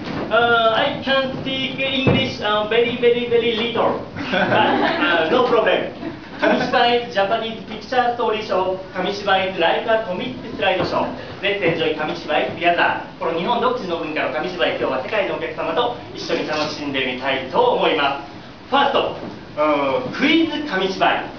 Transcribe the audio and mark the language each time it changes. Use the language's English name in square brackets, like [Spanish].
[English] I can speak English very, very, very little. No problem. Kamishiba is Japanese picture story show. Kamishiba is like a comic slide show. Let's enjoy Kamishiba is together. [Japanese] この日本独自の文化の Kamishiba 今日は世界のお客様と一緒に楽しんでみたいと思います。 [English] First, クイズ Kamishiba.